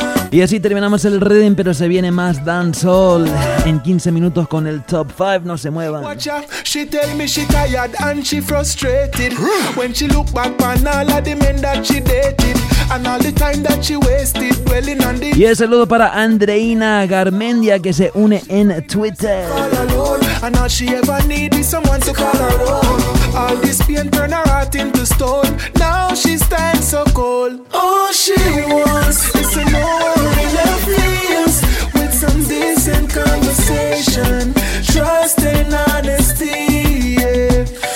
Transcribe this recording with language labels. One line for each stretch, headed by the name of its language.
Spanish: Y así terminamos el reading, pero se viene más dancehall en 15 minutos con el top 5. No se muevan.
English: Watch out. She tell me she tired and she frustrated. When she look back on all of the men that she dated. And all the time that she wasted dwelling on the...
Spanish: Y el saludo para Andreina Garmendia, que se une en Twitter.
English: And all she ever need is someone to call her own. All this pain turn her heart into stone. Now she stands so cold. All she wants is a moment of feels with some decent conversation, trust and honesty.